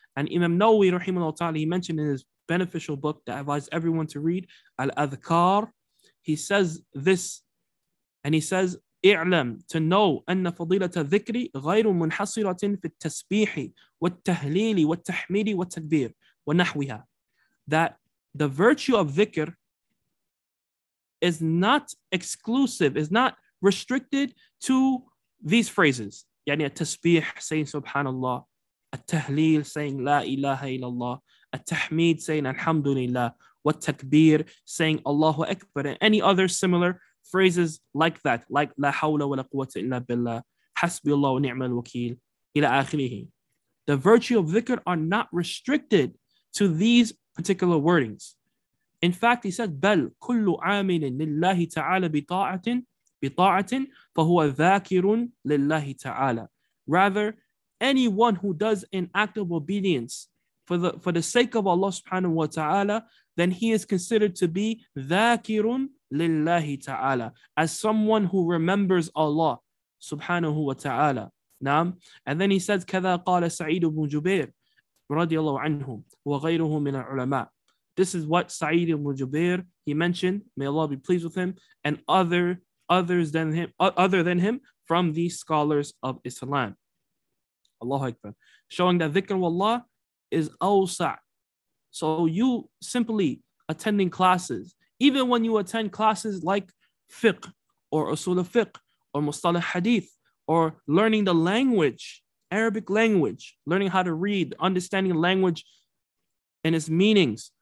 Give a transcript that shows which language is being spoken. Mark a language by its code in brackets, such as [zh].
[en] And Imam Nawawi, rahimahullah ta'ala, he mentioned in his beneficial book that I advise everyone to read, Al-Adhkar, he says this, and he says, اعلم to know [ar] أن فضيلة ذكري غير منحصرة في التسبيح والتهليل والتحميد والتكبير ونحوها. [en] That the virtue of dhikr is not exclusive, is not restricted to these phrases. [ar] يعني التسبيح [en] saying subhanallah, [ar] التهليل saying لا إله إلا الله, التحميد saying الحمد لله, والتكبير saying الله أكبر, [en] and any other similar phrases like that, [ar] like لا حول ولا قوة إلا بالله, حسبي الله ونعم الوكيل, إلى آخره. [en] The virtue of dhikr are not restricted to these particular wordings. In fact, he said, [ar] بل كل عامل لله تعالى بطاعة فهو ذاكر لله تعالى. [en] Rather, anyone who does an act of obedience for the sake of Allah subhanahu wa ta'ala, then he is considered to be [ar] ذاكر لله تعالى, [en] as someone who remembers Allah subhanahu wa ta'ala. [ar] Naam. [en] And then he says, [ar] كذا قال سعيد بن جبير رضي الله عنه وغيره من العلماء. [en] This is what Sa'id ibn Jubair, he mentioned, may Allah be pleased with him, and others than him from the scholars of Islam. Allahu Akbar. Showing that dhikr wallah is awsa'. So you simply attending classes, even when you attend classes like fiqh or usul al-fiqh or mustalah hadith or learning the language, Arabic language, learning how to read, understanding language and its meanings.